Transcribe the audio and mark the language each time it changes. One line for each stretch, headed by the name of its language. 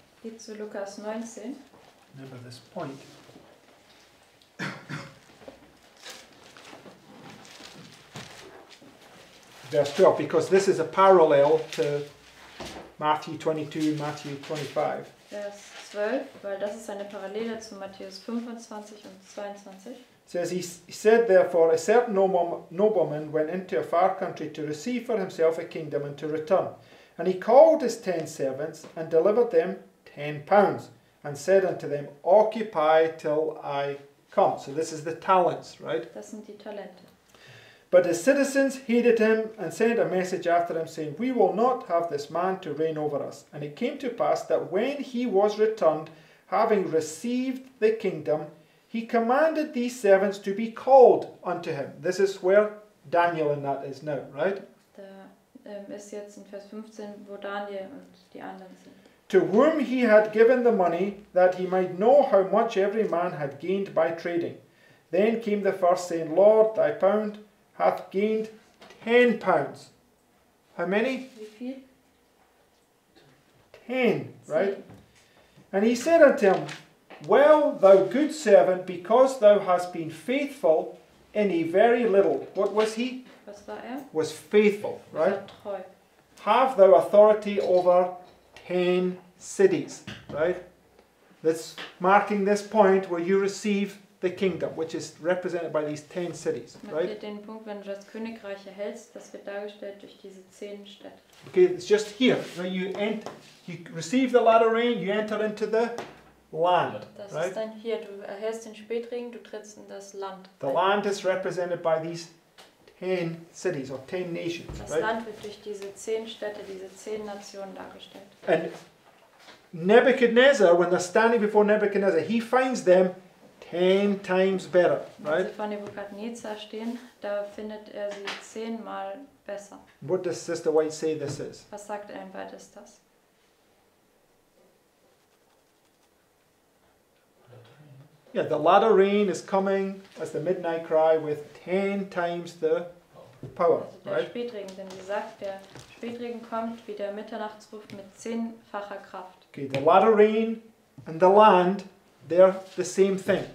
German: Geht zu Lukas 19.
English: Remember this point. Verse 12, because this is a parallel to Matthew 22, Matthew 25.
German: Verse 12, weil das ist eine Parallele zu Matthäus 25 und 22.
English: It says, he said, therefore, a certain nobleman went into a far country to receive for himself a kingdom and to return. And he called his 10 servants and delivered them 10 pounds. And said unto them, occupy till I come. So this is the talents, right?
German: Das sind die Talente.
English: But his citizens hated him and sent a message after him, saying, we will not have this man to reign over us. And it came to pass that when he was returned, having received the kingdom, he commanded these servants to be called unto him. This is where Daniel in that is now, right?
German: Ist jetzt in Vers 15, wo Daniel und die anderen sind.
English: To whom he had given the money, that he might know how much every man had gained by trading. Then came the first, saying, Lord, thy pound hath gained 10 pounds. How many?
German: Wie viel?
English: 10, right? And he said unto him, well, thou good servant, because thou hast been faithful in a very little. What was he?
German: Was war er?
English: Was faithful, right?
German: Er war treu.
English: Have thou authority over 10 cities, right? That's marking this point where you receive the kingdom, which is represented by these 10 cities, right?
German: Den Punkt, wenn du das Königreich erhältst, das wird dargestellt durch diese 10 Städte.
English: Okay, it's just here. Right? You receive the latter rain, you enter into the land.
German: Das
English: right?
German: ist dann hier. Du erhältst den Spätregen, du trittst in das Land.
English: The land is represented by these 10 cities or 10 nations.
German: Das
English: right?
German: Land wird durch diese 10 Städte, diese 10 Nationen dargestellt.
English: And Nebuchadnezzar, when they're standing before Nebuchadnezzar, he finds them 10 times better, right?
German: Wenn sie vor Nebuchadnezzar stehen, da findet er sie 10-mal besser.
English: What does Sister White say this is?
German: Was sagt Ellen White ist das?
English: Yeah, the latter rain is coming as the midnight cry with 10 times the power.
German: Also der
English: right?
German: Spätregen, denn sie sagt, der Spätregen kommt wie der Mitternachtsruf mit 10-facher Kraft.
English: Okay, the latter rain and the land, they're the same thing,